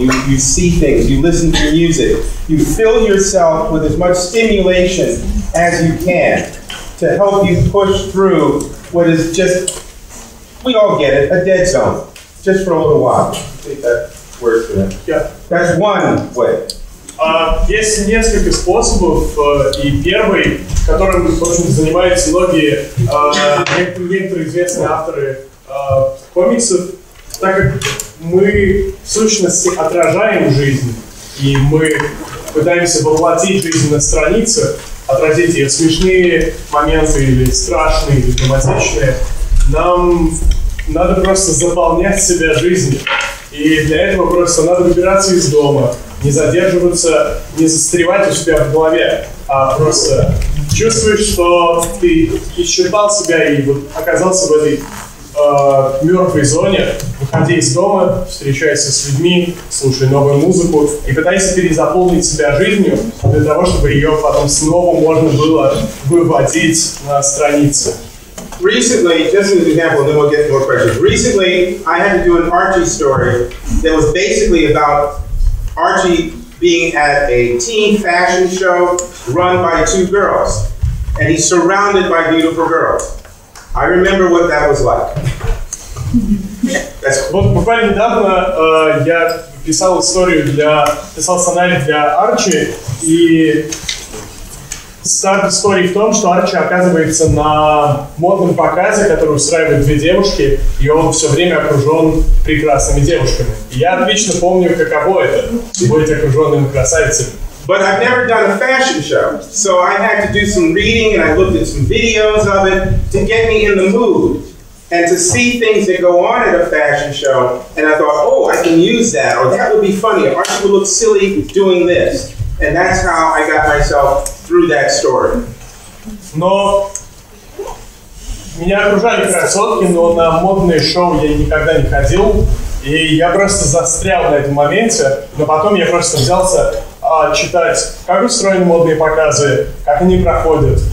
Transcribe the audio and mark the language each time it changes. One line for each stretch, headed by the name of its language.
English: You see things. You listen to music. You fill yourself with as much stimulation as you can to help you push through what is just, we all get it, a dead zone. Just for a little while. I think that works for them. Yeah. That's one way.
Russian: Есть несколько способов, и первый, которым, собственно, занимаются многие некоторые известные авторы комиксов, так как мы в сущности отражаем жизнь, и мы пытаемся воплотить жизнь на странице, отразить ее смешные моменты или страшные, или драматичные, нам надо просто заполнять себя жизнью. И для этого просто надо выбираться из дома, не задерживаться, не застревать у себя в голове, а просто чувствуешь, что ты исчерпал себя и вот оказался в этой мертвой зоне, выходи из дома, встречайся с людьми, слушай новую музыку и пытайся перезаполнить себя жизнью для того, чтобы ее потом снова можно было выводить на страницу.
English: Recently, just as an example, then we'll get more questions. Recently, I had to do an Archie story that was basically about Archie being at a teen fashion show run by two girls, and he's surrounded by beautiful girls. I remember what that was like.
Russian: Вот буквально недавно я писал историю для... писал сценарий для Арчи, и старт истории в том, что Арчи оказывается на модном показе, который устраивают две девушки, и он все время окружен прекрасными девушками. И я отлично помню, каково это — быть окруженным красавицами.
English: But I've never done a fashion show, so I had to do some reading, and I looked at some videos of it to get me in the mood and to see things that go on at a fashion show. And I thought, oh, I can use that, or that would be funny. Archie would look silly doing this, and that's how I got myself through that story.
Russian: Но меня окружали красотки, но на модные шоу я никогда не ходил, и я просто застрял на этом моменте. Но потом я просто взялся читать, как устроены модные показы, как они проходят.